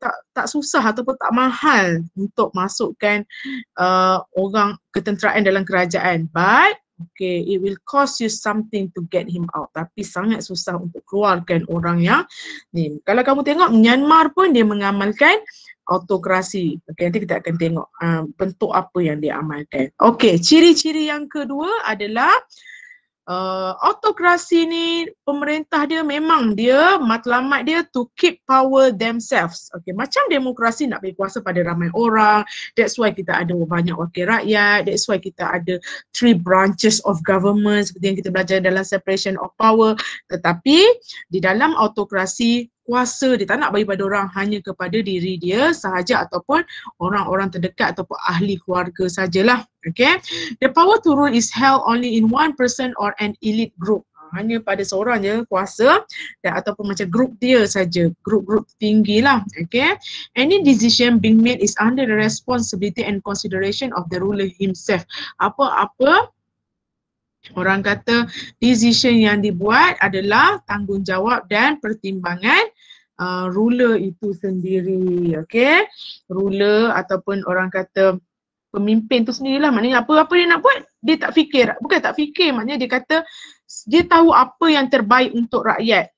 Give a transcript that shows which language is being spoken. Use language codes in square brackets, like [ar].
[ms] Tak susah ataupun tak mahal untuk masukkan orang ketenteraan dalam kerajaan. [en] But okay, it will cost you something to get him out. [ms] Tapi sangat susah untuk keluarkan orang yang ni. Kalau kamu tengok Myanmar pun dia mengamalkan autokrasi. Okay, nanti kita akan tengok bentuk apa yang dia amalkan. Okay, ciri-ciri yang kedua adalah autokrasi ni pemerintah dia memang dia matlamat dia [en] to keep power themselves. [ms] Okay, macam demokrasi nak berkuasa pada ramai orang. [en] That's why [ms] kita ada banyak wakil rakyat. [en] That's why [ms] kita ada [en] three branches of government [ms] seperti yang kita belajar dalam [en] separation of power. [ms] Tetapi di dalam autokrasi, kuasa dia tak nak bagi pada orang, hanya kepada diri dia sahaja ataupun orang-orang terdekat ataupun ahli keluarga sajalah. [en] Okay, the power to rule is held only in one person or an elite group. [ms] Hanya pada seorang je kuasa dan ataupun macam group dia saja, group-group tinggi lah. [en] Okay, any decision being made is under the responsibility and consideration of the ruler himself. [ms] Apa-apa orang kata decision yang dibuat adalah tanggungjawab dan pertimbangan ruler itu sendiri. Okay, ruler ataupun orang kata pemimpin tu sendirilah. Maknanya apa-apa dia nak buat, dia tak fikir. Bukan tak fikir, maknanya dia kata dia tahu apa yang terbaik untuk rakyat.